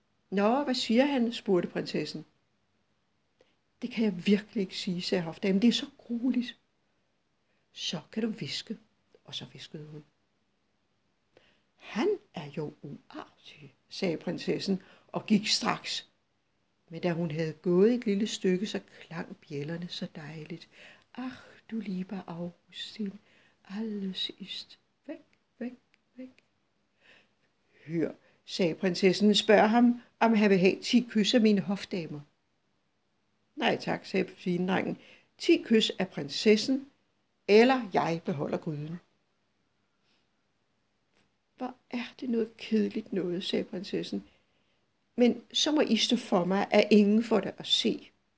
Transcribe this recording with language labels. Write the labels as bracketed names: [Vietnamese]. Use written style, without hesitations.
[Danish] Nå, hvad siger han, spurgte prinsessen. Det kan jeg virkelig ikke sige, sagde hofdamen. Det er så grueligt. Så kan du hviske, og så hviskede hun. Han er jo uartig, sagde prinsessen og gik straks. Men da hun havde gået et lille stykke, så klang bjællerne så dejligt. [German] Ach, du lieber Augustin, alles ist weg, weg, weg. [Danish] Hør, sagde prinsessen, spørg ham, om han vil have 10 kys af mine hofdamer. Nej tak, sagde svinedrengen. 10 kys af prinsessen, eller jeg beholder gryden. Hvor er det noget kedeligt noget, sagde prinsessen. Men så må I stå for mig, at ingen får det at se.